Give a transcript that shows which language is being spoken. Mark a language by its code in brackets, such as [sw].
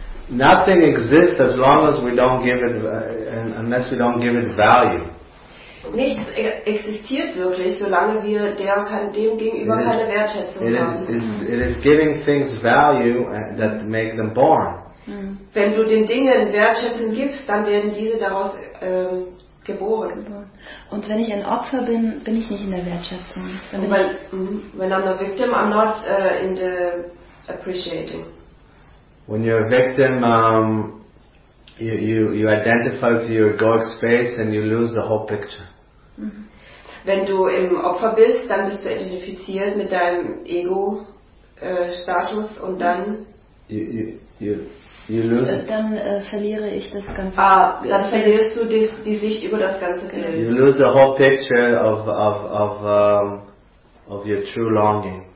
[en] Nothing exists as long as we don't give it, unless we don't give it value. [de] Nichts existiert wirklich, solange wir dem gegenüber keine Wertschätzung haben. [en] It is giving things value that make them born. [de] Wenn du den Dingen Wertschätzung gibst, dann werden diese daraus geboren. Und wenn ich ein Opfer bin, bin ich nicht in der Wertschätzung. [en] When I'm a victim, I'm not in the appreciating. When you're a victim, you identify with your egoic space and you lose the whole picture. [de] Wenn du im Opfer bist, dann bist du identifiziert mit deinem Ego-Status und dann [en] you lose. [de] Dann verliere ich das ganze. Dann verlierst du die Sicht über das ganze Bild. [en] You lose the whole picture of your true longing.